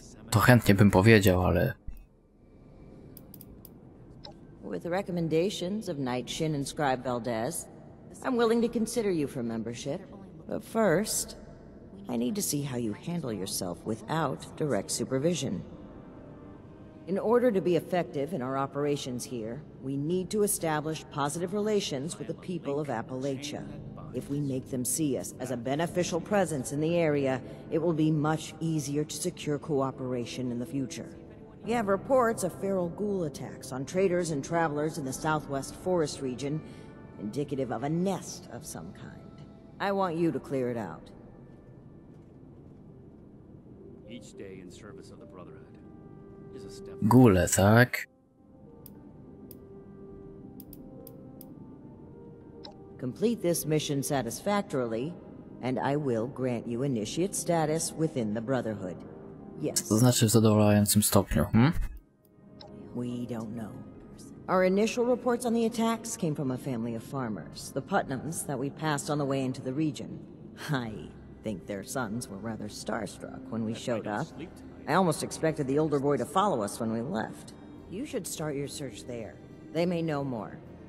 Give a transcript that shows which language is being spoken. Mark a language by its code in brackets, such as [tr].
[pl] To chętnie bym powiedział, ale... [en] With the recommendations of Knight Shin and Scribe Valdez, I'm willing to consider you for membership. But first, I need to see how you handle yourself without direct supervision. In order to be effective in our operations here, we need to establish positive relations with the people of Appalachia. If we make them see us as a beneficial presence in the area, it will be much easier to secure cooperation in the future. We have reports of feral ghoul attacks on traders and travelers in the southwest forest region, indicative of a nest of some kind. I want you to clear it out. Each day in service of the Brotherhood is a step. Ghoul attack. Complete this mission satisfactorily, and I will grant you initiate status within the Brotherhood. Yes. [pl] To znaczy w zadowalającym stopniu, hmm? [en] We don't know. Our initial reports on the attacks came from a family of farmers, the Putnams, that we passed on the way into the region. I think their sons were rather starstruck when we showed up. I almost expected the older boy to follow us when we left. You should start your search there. They may know more.